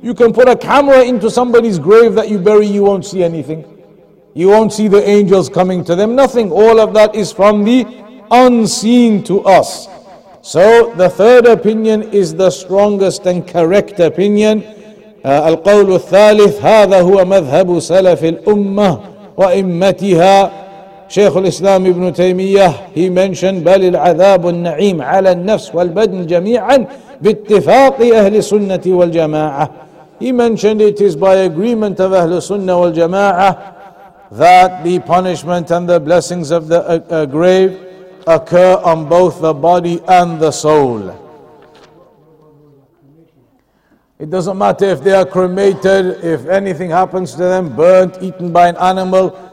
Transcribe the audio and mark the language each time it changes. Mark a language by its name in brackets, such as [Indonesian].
[English] You can put a camera into somebody's grave that you bury, you won't see anything. You won't see the angels coming to them, nothing. All of that is from the unseen to us. So the third opinion is the strongest and correct opinion. [Arabic] Al-qawlu al-thalith, hadha huwa madhhabu salaf al-ummah. وإمتها شيخ الإسلام ابن تيمية [English] he mentioned [Arabic] بل العذاب النعيم على النفس والبدن جميعا باتفاق أهل السنة والجماعة. [English] He mentioned it is by agreement of أهل السنة والجماعة that the punishment and the blessings of the grave occur on both the body and the soul. It doesn't matter if they are cremated, if anything happens to them, burnt, eaten by an animal.